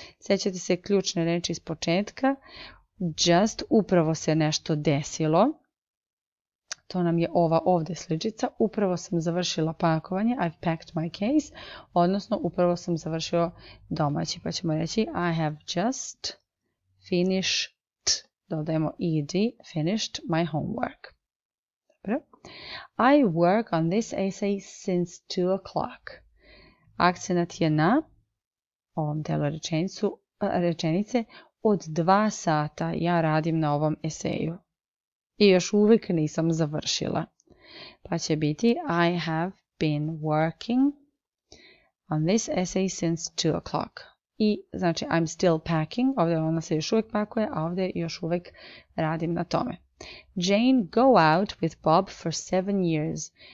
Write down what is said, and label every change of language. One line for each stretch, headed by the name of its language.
Serbian: Sećate se ključne reči iz početka. Just, upravo se nešto desilo. To nam je ova ovde sličica. Upravo sam završila pakovanje.
English: I've packed my case.
Serbian: Odnosno, upravo sam završio domaći. Pa ćemo reći
English: I have just finished.
Serbian: Dodajemo
English: ed, finished my homework.
Serbian: Dobro.
English: I work on this essay since 2 o'clock.
Serbian: Akcenat je na ovom delu rečenice od 2 sata ja radim na ovom eseju. I još uvijek nisam završila. Pa će biti
English: I have been working on this essay since 2 o'clock.
Serbian: I znači
English: I'm still packing,
Serbian: ovdje ona se još uvijek pakuje, a ovdje još uvijek radim na tome.
English: Jane go out with Bob for 7 years.